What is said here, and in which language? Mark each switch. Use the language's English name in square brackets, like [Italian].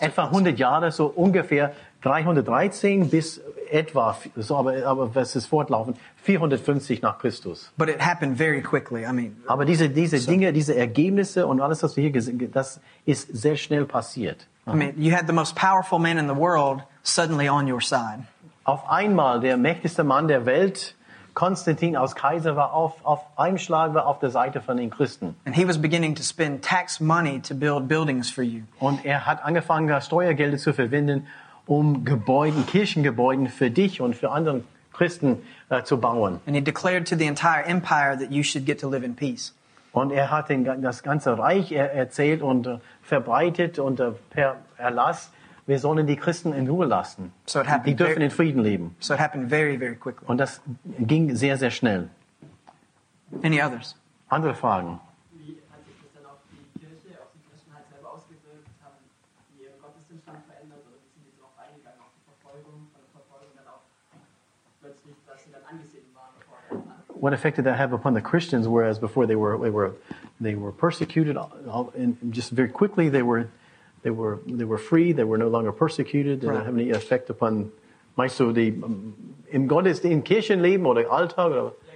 [German] Etwa 100 Jahre, so ungefähr 313 bis etwa, so aber was ist fortlaufend, 450 nach Christus. [English] But it happened very quickly. I mean, [German] aber diese Dinge, diese Ergebnisse und alles, was wir hier gesehen haben, das ist sehr schnell passiert. [English] I mean, you had the most powerful man in the world suddenly on your side. [German] Auf einmal der mächtigste Mann der Welt, Konstantin als Kaiser, war auf einem Schlag war auf der Seite von den Christen. [English] And he was beginning to spend tax money to build buildings for you. [German] Und er hat angefangen, Steuergelder zu verwenden, um Gebäude, Kirchengebäude für dich und für andere Christen zu bauen. [English] And he declared to the entire empire that you should get to live in peace. [German] Und er hat das ganze Reich erzählt und verbreitet und per Erlass, wir sollen die Christen in Ruhe lassen. [English] So it happened, [German] die dürfen in Frieden leben. [English] So it happened very, very quickly. [German] Und das ging sehr, sehr schnell. [English] Any others? [German] Andere Fragen? Wie hat sich das dann auf die Kirche, auf die Christen halt selber ausgewirkt? Haben die ihren Gottesdienststand verändert oder sind die darauf eingegangen, auf die Verfolgung, von der Verfolgung dann auch plötzlich, dass sie dann angesehen waren? [English] What effect did that have upon the Christians? Whereas before they were persecuted, and just very quickly they were free. They were no longer persecuted. Did that have any effect upon [German] meinst du die im Gottesdienst, Kirchenleben oder Alltag oder?